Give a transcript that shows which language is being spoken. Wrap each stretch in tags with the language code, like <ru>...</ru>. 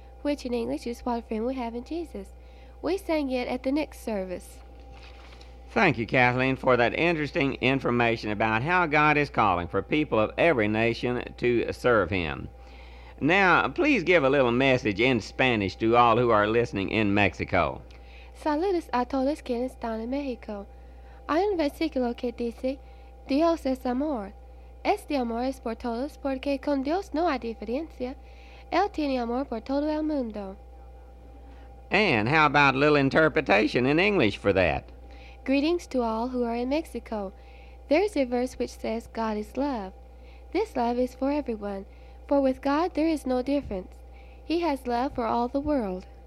<en>which in English is What a Friend We Have in Jesus. We sang it at the next service. Thank you, Kathleen, for that interesting information about how God is calling for people of every nation to serve him. Now, please give a little message in Spanish to all who are listening in Mexico.</en> <es>Saludos a todos quienes están en México. Hay un versículo que dice, Dios es amor. Este amor es por todos porque con Dios no hay diferencia. Él tiene amor por todo el mundo.</es> <en>And how about a little interpretation in English for that? Greetings to all who are in Mexico. There's a verse which says, God is love. This love is for everyone, for with God there is no difference. He has love for all the world.</en>